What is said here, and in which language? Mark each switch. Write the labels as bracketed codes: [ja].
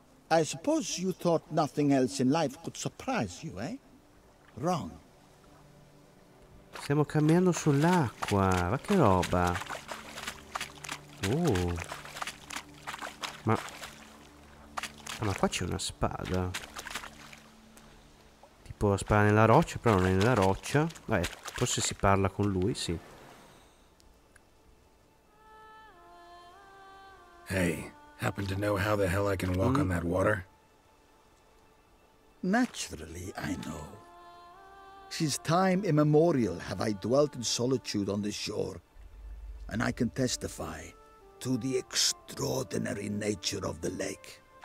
[en] I suppose you thought nothing else in life could surprise you, eh? Wrong. [it] Stiamo camminando sull'acqua. Ma che roba. Ma qua c'è una spada. Tipo la spada nella roccia, però non è nella roccia. Vabbè, forse si parla con lui, sì. [en] Hey, happen to know how the hell I can walk on that water? Naturally, I know. Since time immemorial have I dwelt in solitude on this shore, and I can testify to the extraordinary nature of the lake.